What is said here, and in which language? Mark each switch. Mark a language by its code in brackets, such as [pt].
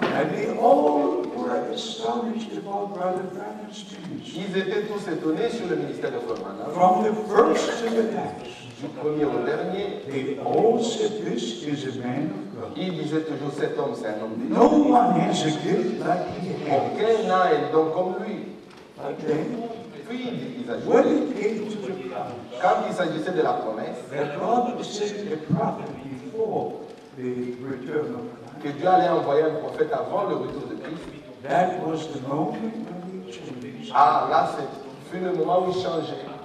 [en] And they all were astonished about Brother Branham's ministry. [fr] Ils étaient tous étonnés sur le ministère de Brother Branham. [en] From the first to the last. [fr] Du premier au dernier, [en] they all said, "This is a man of God." [fr] Ils disaient toujours, cet homme, c'est un homme de Dieu. [en] No one has a gift like he has. [fr] Aucun n'a un don comme lui. [en] Then, [fr] puis ils ajoutaient, [en] when it came to the [fr] quand il s'agissait de la promesse, [en] that God sent a prophet before the return of Christ, [fr] que Dieu allait envoyer un prophète avant le retour de Christ, [en] that was the moment when he changed. [fr] Ah, là, c'est fut le moment où il changeait.